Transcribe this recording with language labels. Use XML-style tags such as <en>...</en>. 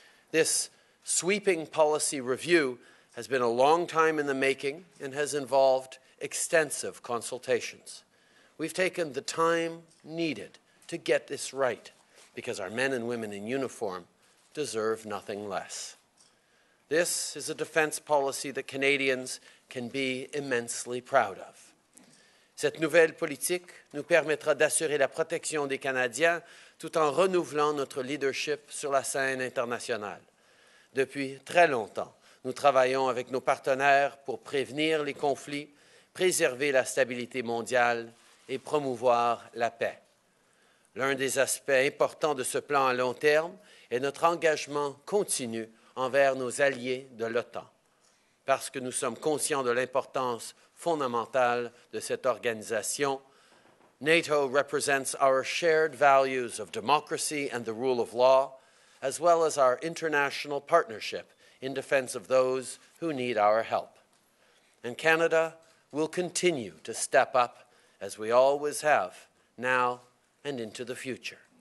<en>This sweeping policy review has been a long time in the making and has involved extensive consultations. We've taken the time needed to get this right because our men and women in uniform deserve nothing less. This is a defense policy that Canadians can be immensely proud of.</en> <fr>Cette nouvelle politique nous permettra d'assurer la protection des Canadiens tout en renouvelant notre leadership sur la scène internationale. Depuis très longtemps, nous travaillons avec nos partenaires pour prévenir les conflits, préserver la stabilité mondiale et promouvoir la paix. L'un des aspects importants de ce plan à long terme est notre engagement continu envers nos alliés de l'OTAN, parce que nous sommes conscients de l'importance fondamentale de cette organisation.</fr> <en>NATO represents our shared values of democracy and the rule of law, as well as our international partnership in defense of those who need our help. And Canada will continue to step up as we always have, now and into the future.</en>